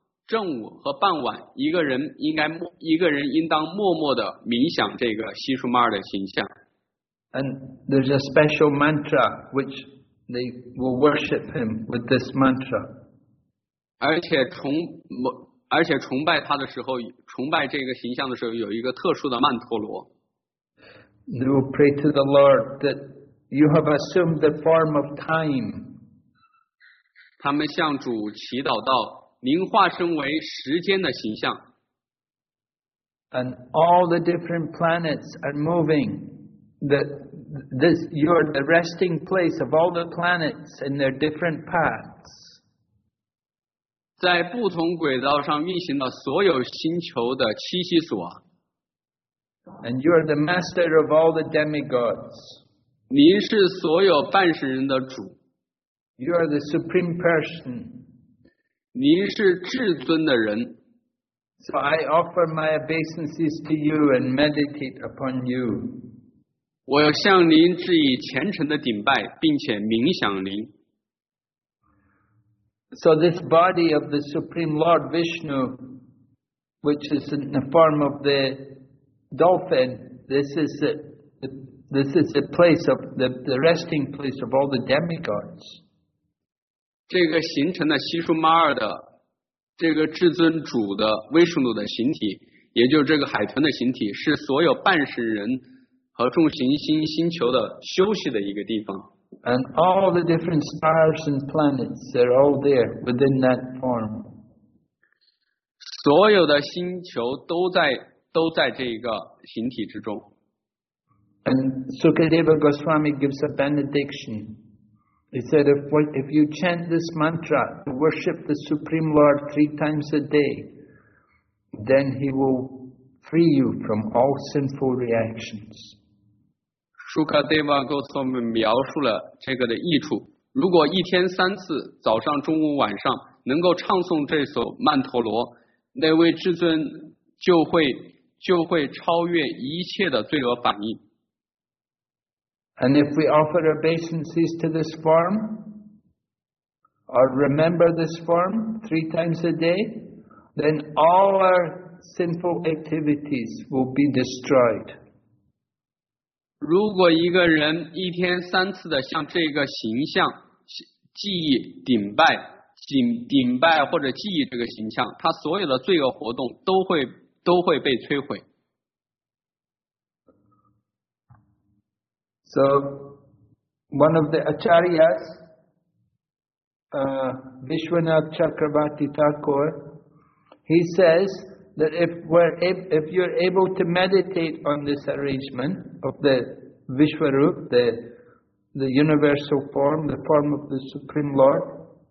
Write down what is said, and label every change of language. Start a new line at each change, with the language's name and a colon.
Chinese: 正午和傍晚，一个人应当默默地冥想这个西舒玛尔的形象。
English: And there's a special mantra which they will worship him with this mantra.
Chinese: 而且崇拜这个形象的时候，有一个特殊的曼陀罗。
English: They will pray to the Lord that you have assumed the form of time.
Chinese: 他们向主祈祷道，您化身为时间的形象。
English: And all the different planets are moving. You are the resting place of all the planets in their different paths.
Chinese: 在不同轨道上运行的所有星球的栖息所。
English: And you are the master of all the demigods.
Chinese: 您是所有半世人的主。
English: You are the supreme person.
Chinese: 您是至尊的人。
English: So I offer my obeisances to you and meditate upon you.
Chinese: 我要向您致以虔诚的顶拜，并且冥想您。
English: So this body of the Supreme Lord Vishnu, which is in the form of the dolphin, this is the place of the resting place of all the demigods.
Chinese: 这个形成的西舒玛尔的这个至尊主的威士努的形体，也就是这个海豚的形体，是所有半世人和众行星星球的休息的一个地方。
English: And all the different stars and planets are all there within that form.
Chinese: 所有的星球都在这个形体之中。
English: And Sukadeva Goswami gives a benediction. He said, if you chant this mantra to worship the Supreme Lord three times a day, then he will free you from all sinful reactions.
Chinese: Shukadeva Goswami 描述了这个的益处。如果一天三次，早上、中午、晚上，能够唱诵这首曼陀罗，那位至尊就会超越一切的罪恶反应。
English: And if we offer obeisances to this form, or remember this form three times a day, then all our sinful activities will be destroyed.
Chinese: 如果一个人一天三次的向这个形象记忆顶拜或者记忆这个形象，他所有的罪恶活动都会被摧毁。
English: So, one of the Acharyas, Vishwanath Chakrabarti Thakur, he says that if you're able to meditate on this arrangement of the Vishwarup, the universal form, the form of the Supreme Lord.